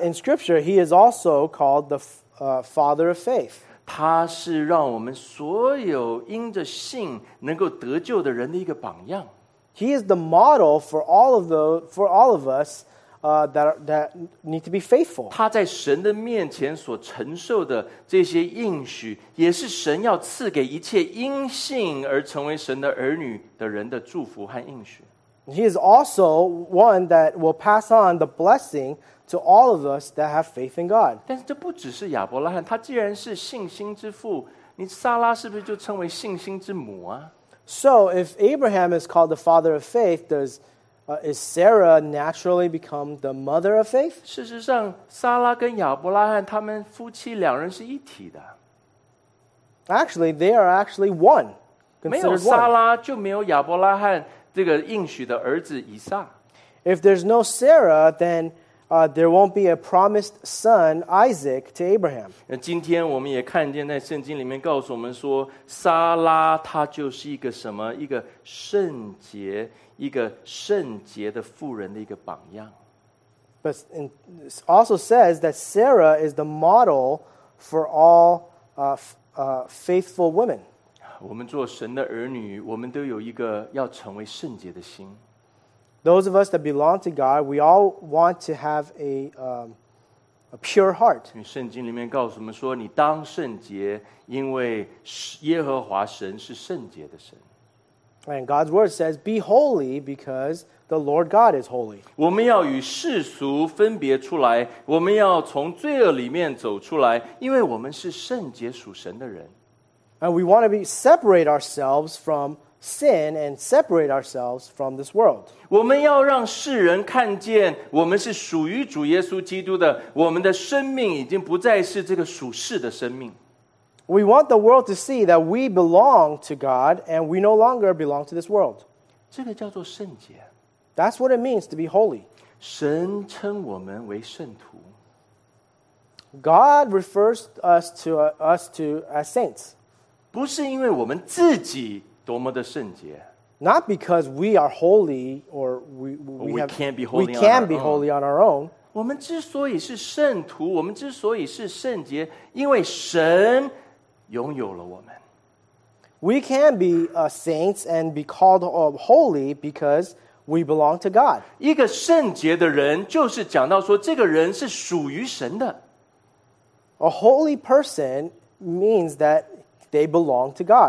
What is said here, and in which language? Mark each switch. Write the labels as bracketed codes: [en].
[en] in Scripture, he is also called the father of faith. [zh] 他是让我们所有因着信能够得救的人的一个榜样。 [en] He is the model for all of us that need to be faithful. [zh] 他在神的面前所承受的这些应许，也是神要赐给一切因信而成为神的儿女的人的祝福和应许。 [en] He is also one that will pass on the blessing to all of us that have faith in God. [zh] 但是这不只是亚伯拉罕，他既然是信心之父，你撒拉是不是就称为信心之母啊？ [en] So if Abraham is called the father of faith, is Sarah naturally become the mother of faith? [zh] 事实上，撒拉跟亚伯拉罕他们夫妻两人是一体的。 [en] Actually, they are actually one. [zh] 没有撒拉就没有亚伯拉罕这个应许的儿子以撒。 [en] If there's no Sarah, then there won't be a promised son, Isaac, to Abraham. [zh] 今天我们也看见在圣经里面告诉我们说，撒拉她就是一个什么？一个圣洁，一个圣洁的妇人的一个榜样。 [en] But it also says that Sarah is the model for all faithful women. [zh] 我们做神的儿女，我们都有一个要成为圣洁的心。 [en] Those of us that belong to God, we all want to have a pure heart. [zh] 因为圣经里面告诉我们说，你当圣洁，因为耶和华神是圣洁的神。 [en] And God's word says, be holy because the Lord God is holy. [zh] 我们要与世俗分别出来，我们要从罪恶里面走出来，因为我们是圣洁属神的人。 [en] And we want to separate ourselves from sin and separate ourselves from this world. [zh] 我们要让世人看见我们是属于主耶稣基督的，我们的生命已经不再是这个属世的生命。 [en] We want the world to see that we belong to God and we no longer belong to this world. [zh] 这个叫做圣洁。 [en] That's what it means to be holy. [zh] 神称我们为圣徒。 [en] God refers us to as saints. [zh] 不是因为我们自己多么的圣洁。 [en] Not because we are holy or we can be holy on our own. [zh] 我们之所以是圣徒，我们之所以是圣洁，因为神拥有了我们。 [en] We can be saints and be called holy because we belong to God. [zh] 一个圣洁的人就是讲到说，这个人是属于神的。 [en] A holy person means that they belong to God.